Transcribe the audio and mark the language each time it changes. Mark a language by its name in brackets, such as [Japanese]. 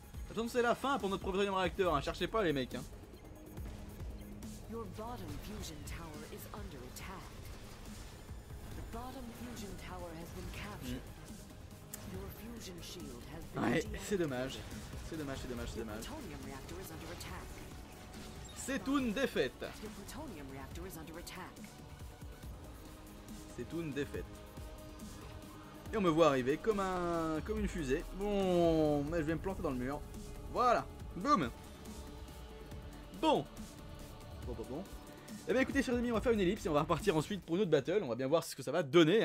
[French] Attention, c'est la fin pour notre premier réacteur, hein. Cherchez pas les mecs. Hein. [English] Your bottom fusion tower is under attack. The bottom fusion tower has been captured. Your fusion shield has been deactivated. [French] Ouais, c'est dommage. C'est dommage, c'est dommage, c'est dommage. [English] Your plutonium reactor is under attack. [French] C'est une défaite. [English] Your plutonium reactor is under attack. [French] C'est une défaite. Et on me voit arriver comme un comme une fusée. Bon, mais je vais me planter dans le mur. Voilà. Boum. Bon. Bon, bon, bon. Eh bien écoutez, chers amis, on va faire une ellipse et on va repartir ensuite pour une autre battle. On va bien voir ce que ça va donner.